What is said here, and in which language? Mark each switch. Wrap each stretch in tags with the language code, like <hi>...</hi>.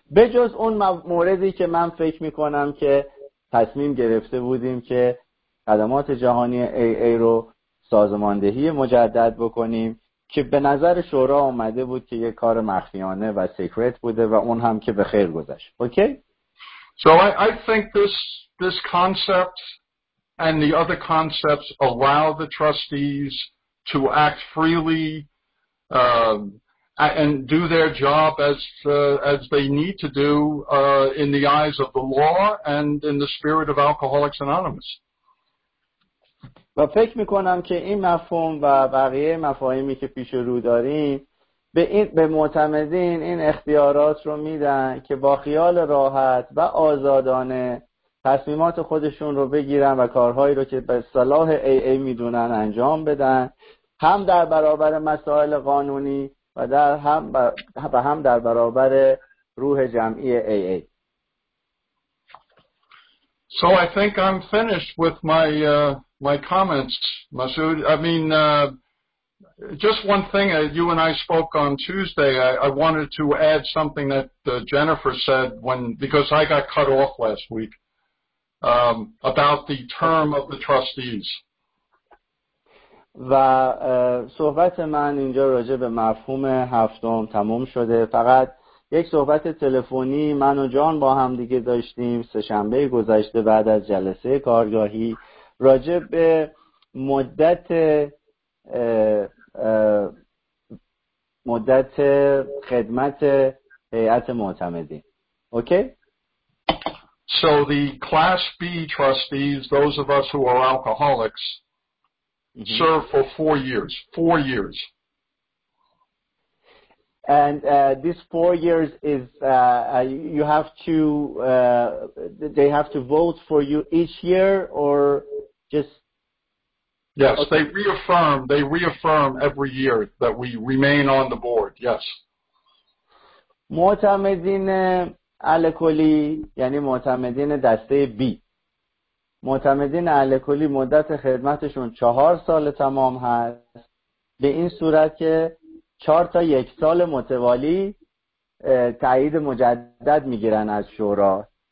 <fa>بجز اون موردی که من فکر میکنم که تصمیم گرفته بودیم که خدمات جهانی AA رو سازماندهی مجدد بکنیم که به نظر شورا آمده بود که یک کار مخفیانه و سیکرت بوده و اون هم که به خیر گذشت.</fa> <en>Okay? So I think this concept and the other concepts allow the trustees to act freely and do their job as they need to do in the eyes of the law and in the spirit of Alcoholics Anonymous.</en> <fa>و فکر میکنم که این مفهوم و بقیه مفاهیمی که پیش رو داریم به معتمدین این اختیارات رو میدن که با خیال راحت و آزادانه تصمیمات خودشون رو بگیرن و کارهایی رو که به صلاح AA میدونن انجام بدن، هم در برابر مسائل قانونی و در هم در برابر روح جمعی AA.</fa> <en>So I think I'm finished with my comments, Masood. I mean, just one thing. You and I spoke on Tuesday. I wanted to add something that Jennifer said because I got cut off last week about the term of the trustees.</en> <fa>و صحبت من اینجا راجع به مفهوم هفتم تموم شده. فقط یک صحبت تلفنی من و جان با هم دیگه داشتیم سه‌شنبه گذشته بعد از جلسه کارگاهی راجع به مدت خدمت هیئت معتمدین.</fa> <en>Okay? So the class B trustees, those of us who are alcoholics, serve for 4 years. 4 years. And this 4 years is you have to they have to vote for you each year or just yes okay. they reaffirm every year that we remain on the board. Yes,</en> <fa>معتمدین الکلی یعنی معتمدین دسته B. معتمدین الکلی مدت خدمتشون 4 سال تمام هست، به این صورت که 4 تا 1 سال متوالی تایید مجدد میگیرن از شورا.</fa>